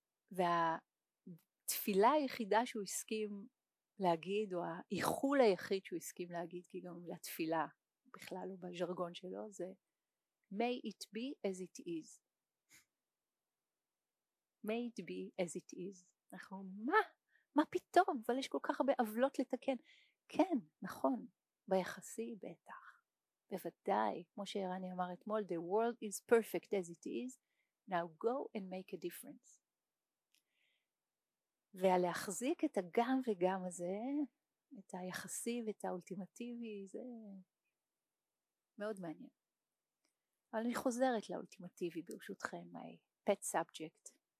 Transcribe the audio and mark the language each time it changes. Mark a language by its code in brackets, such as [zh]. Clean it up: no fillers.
[he] והתפילה היחידה שהוא הסכים להגיד, או האיחול היחיד שהוא הסכים להגיד, כי גם לתפילה בכלל או בז'רגון שלו, זה [en] May it be as it is. May it be as it is. [he] אנחנו, מה? מה פתאום? אבל יש כל כך הרבה עוולות לתקן. כן, נכון, ביחסי בטח. בוודאי, כמו שהרני אמר אתמול, [en] the world is perfect as it is, now go and make a difference. [he] ולהחזיק את הגם וגם הזה, את היחסי ואת האולטימטיבי, זה מאוד מעניין. אבל אני חוזרת לאולטימטיבי ברשותכם, [en] my pet subject.